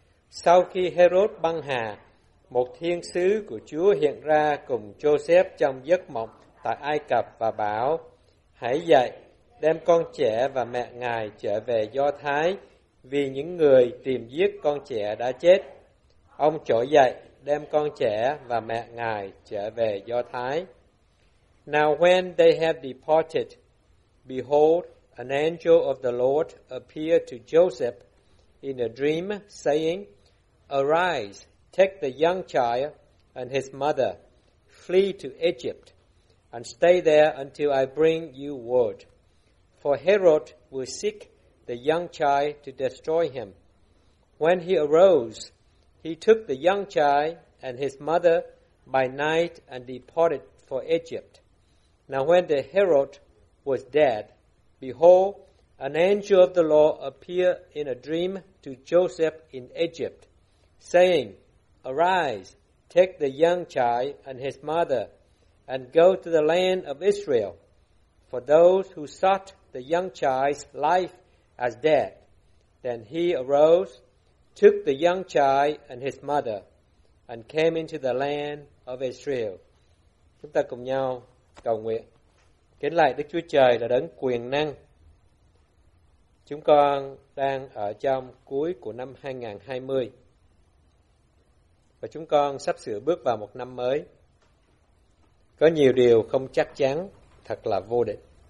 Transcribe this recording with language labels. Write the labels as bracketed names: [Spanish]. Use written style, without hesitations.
[Vietnamese] Sau khi Herod băng hà, một thiên sứ của Chúa hiện ra cùng Joseph trong giấc mộng tại Ai Cập và bảo: "Hãy dậy, đem con trẻ và mẹ ngài trở về Do Thái, vì những người tìm giết con trẻ đã chết." Ông trỗi dậy đem con trẻ và mẹ ngài trở về Do Thái. [English] Now when they have departed, behold, an angel of the Lord appeared to Joseph in a dream, saying, "Arise, take the young child and his mother, flee to Egypt, and stay there until I bring you word. For Herod will seek the young child to destroy him." When he arose, he took the young child and his mother by night and departed for Egypt. Now when the Herod was dead, behold, an angel of the Lord appeared in a dream to Joseph in Egypt, saying, "Arise, take the young child and his mother, and go to the land of Israel, for those who sought the young child's life as dead." Then he arose, took the young child and his mother, and came into the land of Israel. [Vietnamese] Chúng ta cùng nhau cầu nguyện. Kính lạy Đức Chúa Trời là đấng quyền năng. Chúng con đang ở trong cuối của năm 2020. Và chúng con sắp sửa bước vào một năm mới. Có nhiều điều không chắc chắn, thật là vô định.